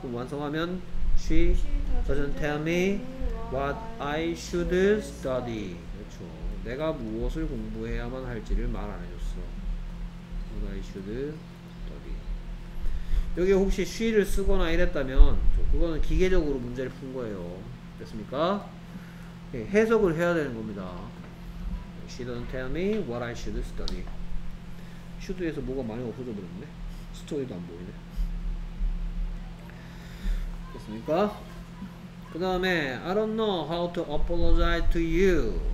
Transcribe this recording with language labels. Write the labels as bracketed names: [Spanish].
[Korean] 그럼 완성하면 [English] she doesn't tell me what I should study. [Korean] 그렇죠. 내가 무엇을 공부해야만 할지를 말 안 해줬어. [English] What I should study. [Korean] 여기 혹시 she를 쓰거나 이랬다면 그거는 기계적으로 문제를 푼 거예요. 됐습니까? 네, 해석을 해야 되는 겁니다. [English] She doesn't tell me what I should study. [Korean] Should에서 뭐가 많이 없어져 버렸네. 스토리도 안 보이네. 됐습니까? 그 다음에 [English] I don't know how to apologize to you.